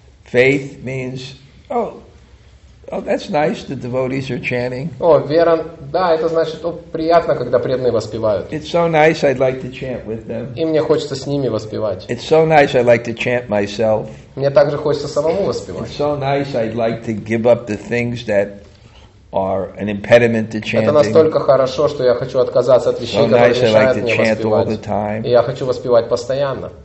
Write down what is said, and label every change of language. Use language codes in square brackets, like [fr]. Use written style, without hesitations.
[en] Faith means Oh, that's nice. The devotees are chanting. [ru] О, вера, да, это значит, о, приятно, когда преданные воспевают. [en] It's so nice. I'd like to chant with them. [ru] И мне хочется с ними воспевать. [en] It's so nice. I'd like to chant myself. [ru] Мне также хочется самому воспевать. [en] It's so nice. I'd like to give up the things that are an impediment to chanting. [ru] Это настолько хорошо, что я хочу отказаться от вещей, которые мешают мне воспевать. [en] All the time. [ru] И я хочу воспевать постоянно.